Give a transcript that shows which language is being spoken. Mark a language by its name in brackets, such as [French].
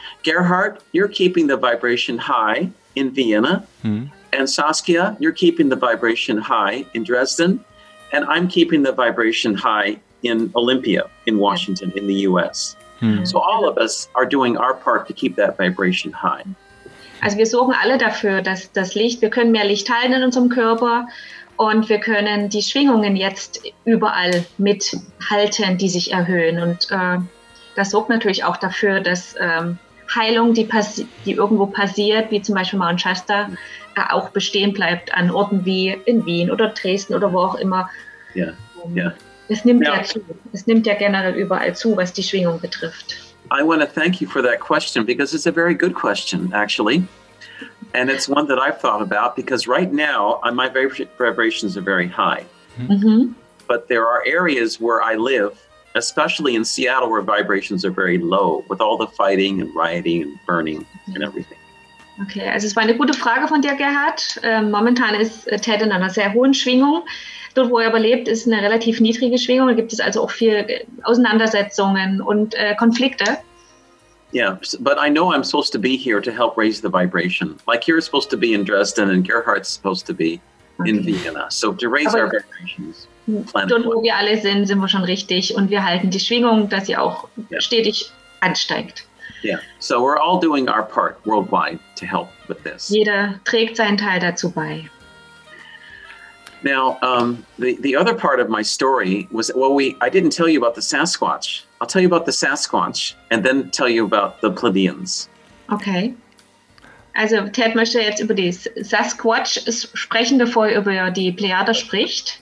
[English] Gerhard, you're keeping the vibration high in Vienna. And Saskia, you're keeping the vibration high in Dresden, and I'm keeping the vibration high in Olympia, in Washington, in the U.S. So all of us are doing our part to keep that vibration high. [German] Also wir sorgen alle dafür, dass das Licht, wir können mehr Licht teilen in unserem Körper und wir können die Schwingungen jetzt überall mithalten, die sich erhöhen. Und das sorgt natürlich auch dafür, dass Heilung, die irgendwo passiert, wie zum Beispiel Mount Shasta, auch bestehen bleibt an Orten wie in Wien oder Dresden oder wo auch immer. Ja, ja. Es nimmt ja zu. Es nimmt ja generell überall zu, was die Schwingung betrifft. [English] I want to thank you for that question because it's a very good question, actually. And it's one that I've thought about because right now my vibrations are very high. Mm-hmm. But there are areas where I live, especially in Seattle, where vibrations are very low with all the fighting and rioting and burning and everything. [German] Okay, also es war eine gute Frage von dir, Gerhard. Momentan ist Ted in einer sehr hohen Schwingung. Dort, wo er überlebt, ist eine relativ niedrige Schwingung. Da gibt es also auch viel Auseinandersetzungen und Konflikte. [English] Yeah, but I know I'm supposed to be here to help raise the vibration. Like you're supposed to be in Dresden and Gerhard's supposed to be in Vienna. So to raise our vibrations. [German] Dort, wo wir alle sind, sind wir schon richtig und wir halten die Schwingung, dass sie auch stetig ansteigt. [English] Yeah, so we're all doing our part worldwide to help with this. [German] Jeder trägt seinen Teil dazu bei. [English] Now, the other part of my story was, I didn't tell you about the Sasquatch. I'll tell you about the Sasquatch and then tell you about the Pleiadians. Okay. [German] Also Ted möchte jetzt über die Sasquatch sprechen, bevor er über die Plejade spricht.